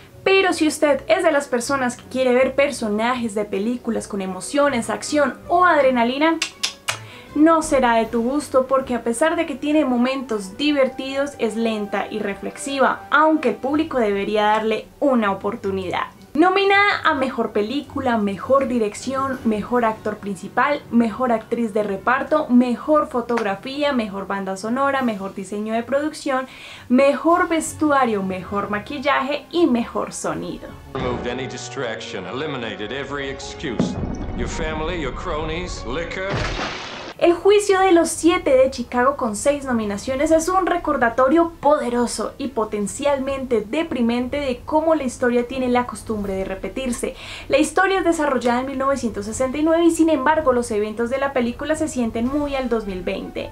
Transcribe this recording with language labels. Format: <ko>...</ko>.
<es>Pero si usted es de las personas que quiere ver personajes de películas con emociones, acción o adrenalina, no será de tu gusto porque a pesar de que tiene momentos divertidos, es lenta y reflexiva, aunque el público debería darle una oportunidad. Nominada a Mejor Película, Mejor Dirección, Mejor Actor Principal, Mejor Actriz de Reparto, Mejor Fotografía, Mejor Banda Sonora, Mejor Diseño de Producción, Mejor Vestuario, Mejor Maquillaje y Mejor Sonido.</es> <en>Removed any distraction, eliminated every excuse. Your family, your cronies, liquor.</en> <es>El Juicio de los Siete de Chicago con 6 nominaciones es un recordatorio poderoso y potencialmente deprimente de cómo la historia tiene la costumbre de repetirse. La historia es desarrollada en 1969 y sin embargo los eventos de la película se sienten muy al 2020.</es>